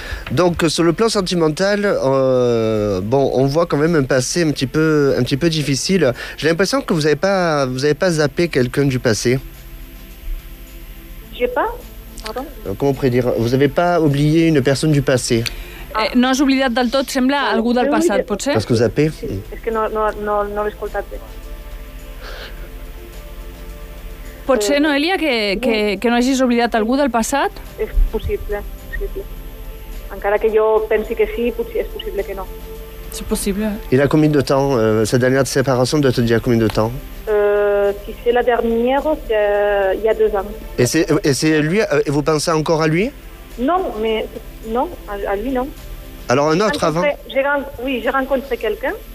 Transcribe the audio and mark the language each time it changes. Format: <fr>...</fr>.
<fr>Donc, sur le plan sentimental, bon, on voit quand même un passé un petit peu difficile. J'ai l'impression que vous n'avez pas zappé quelqu'un du passé. J'ai pas. Pardon. Comment on pourrait dire? Vous n'avez pas oublié une personne du passé.</fr> <ca>No has oublidat del tot, sembla, algú del passat, potser.</ca> <fr>Parce que vous zappez.</fr> <ca>Es que no l'he escoltat bé. Pot ser, Noelia, que no hagis oblidat algú del passat? És possible, Encara que jo pensi que sí, potser és possible que no.</ca> <fr>C'est possible. Il a combien de temps, cette dernière de séparation doit te dire combien de temps? Si c'est la dernière, il y a 2 ans. Et c'est lui, vous pensez encore à lui? Non, mais non, à lui non. Alors un autre avant? J'ai rencontré quelqu'un.</fr>